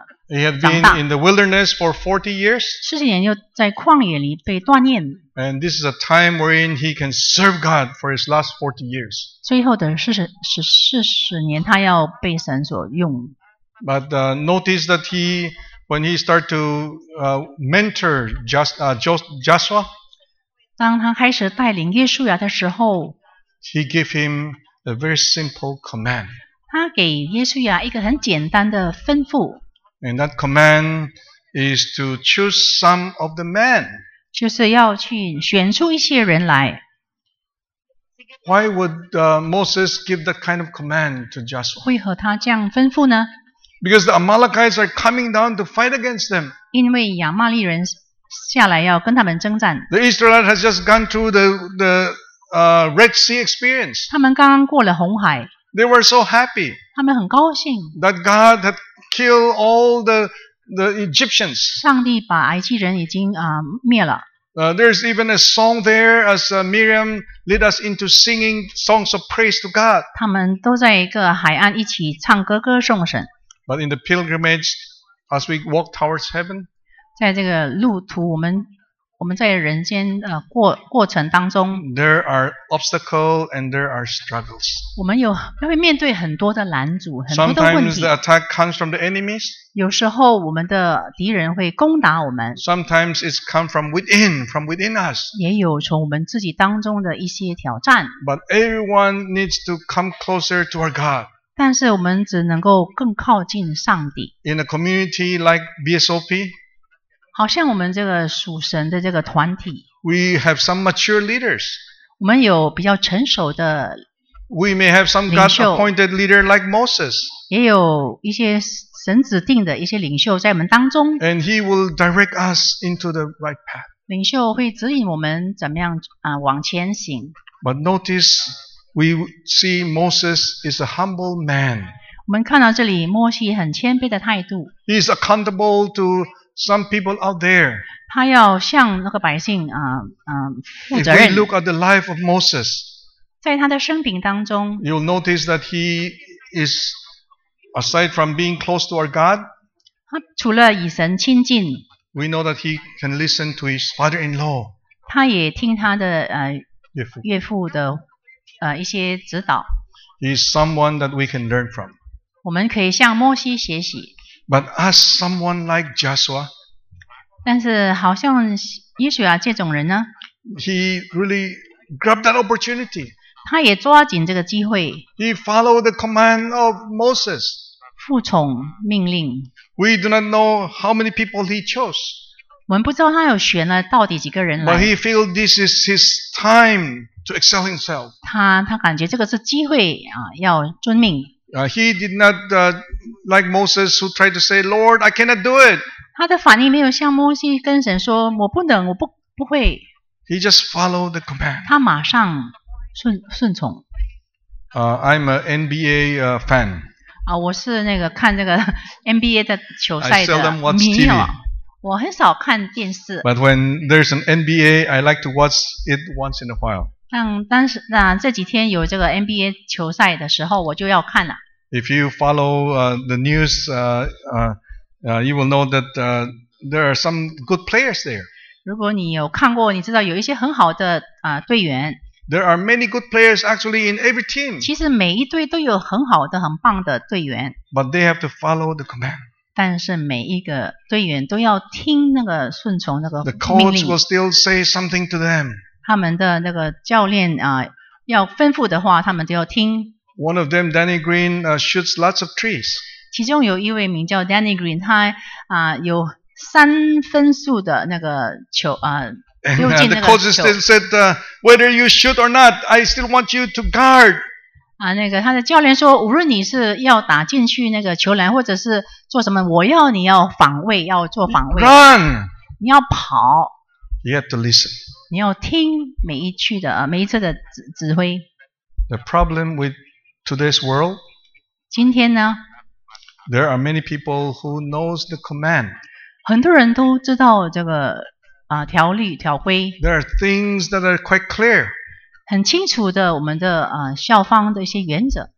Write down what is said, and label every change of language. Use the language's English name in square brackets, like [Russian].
[English] He had been in the wilderness for 40 years. [Chinese] 40年又在旷野里被锻炼。 [English] And this is a time wherein he can serve God for his last 40 years. [Chinese] 最后的40年，他要被神所用。 [English] But notice that he. When he started to mentor Joshua, [Chinese] 当他开始带领耶稣亚的时候， [English] he gave him a very simple command. [Chinese] 他给耶稣亚一个很简单的吩咐。 [English] And that command is to choose some of the men. [Chinese] 就是要去选出一些人来。 [English] Why would Moses give that kind of command to Joshua? [Chinese] 为何他这样吩咐呢？ [English] Because the Amalekites are coming down to fight against them. [Chinese] 因为亚玛利人下来要跟他们征战。 [English] The Israelites has just gone through the Red Sea experience. [Chinese] 他们刚刚过了红海。 [English] They were so happy. [Chinese] 他们很高兴。 [English] That God had killed all the Egyptians. [Chinese] 上帝把埃及人已经灭了。 [English] There's even a song there as Miriam led us into singing songs of praise to God. [Chinese] 他们都在一个海岸一起唱歌歌颂神。 [English] But in the pilgrimage, as we walk towards heaven, [Chinese] 在这个路途我们我们在人间过程当中 [English] ，there are obstacles and there are struggles。 [Chinese] 我们有会面对很多的拦阻，很多的问题。 [English] Sometimes the attack comes from the enemies。 [Chinese] 有时候我们的敌人会攻打我们。 [English] Sometimes it's come from within us。 [Chinese] 也有从我们自己当中的一些挑战。 [English] But everyone needs to come closer to our God。 [Chinese] 但是我们只能够更靠近上帝。 [English] In a community like BSOP。 [Chinese] 好像我们这个属神的这个团体 [English] ，We have some mature leaders。 [Chinese] 我们有比较成熟的 [English] ，We may have some God appointed leader like Moses。 [Chinese] 也有一些神指定的一些领袖在我们当中 [English] ，And he will direct us into the right path。 [Chinese] 领袖会指引我们怎么样往前行。 [English] But notice we see Moses is a humble man。 [Chinese] 我们看到这里，摩西很谦卑的态度。 [English] He is accountable to。 Some people out there. [Chinese] 他要向那个百姓负责任。 [English] If we look at the life of Moses, [Chinese] 在他的生平当中 [English] ，you'll notice that he is, aside from being close to our God, [Chinese] 他除了与神亲近 [English] ，we know that he can listen to his father-in-law. [Chinese] 他也听他的岳父的一些指导。 [English] He is someone that we can learn from. [Chinese] 我们可以向摩西学习。 [English] But as someone like Joshua, [Chinese] 但是好像约书亚这种人呢 [English] ，He really grabbed that opportunity. [Chinese] 他也抓紧这个机会。 [English] He followed the command of Moses. [Chinese] 服从命令。 [English] We do not know how many people he chose. [Chinese] 我们不知道他有选了到底几个人来。 [English] But he feels this is his time to excel himself. [Chinese] 他感觉这个是机会要遵命。 [English] He did not like Moses who tried to say, Lord, I cannot do it. [Chinese] 他的反应没有像摩西跟神说，我不能，我不会。 [English] He just followed the command. [Chinese] 他马上顺从。 [English] I'm an NBA fan. [Chinese] 我是那个看这个 NBA 的球赛的。 [English] I seldom watch TV. [Chinese] 我很少看电视。 [English] But when there's an NBA, I like to watch it once in a while. [Chinese] 这几天有这个 NBA 球赛的时候，我就要看了。 [English] If you follow the news, you will know that there are some good players there. [Chinese] 如果你有看过，你知道有一些很好的队员。 [English] There are many good players actually in every team. [Chinese] 其实每一队都有很好的、很棒的队员。 [English] But they have to follow the command. [Chinese] 但是每一个队员都要听那个顺从那个命令。 [English] The coach will still say something to them. [Chinese] 他们的那个教练要吩咐的话，他们都要听。 [English] One of them, Danny Green, shoots lots of trees. [Chinese] 其中有一位名叫 Danny Green, 他有三分速的那个球 [English] And the coach still said, whether you shoot or not, I still want you to guard. [Chinese] 那个他的教练说，无论你是要打进去那个球篮，或者是做什么，我要你要防卫，要做防卫。 [English] Run! [Chinese] 你要跑。 [English] You have to listen. [Chinese] 你要听每一次的指挥。 [English] The problem with today's world. [Chinese] 今天呢 [English] ？There are many people who knows the command. [Chinese] 很多人都知道这个条例条规。 [English] There are things that are quite clear. [Chinese] 很清楚的我们的校方的一些原则。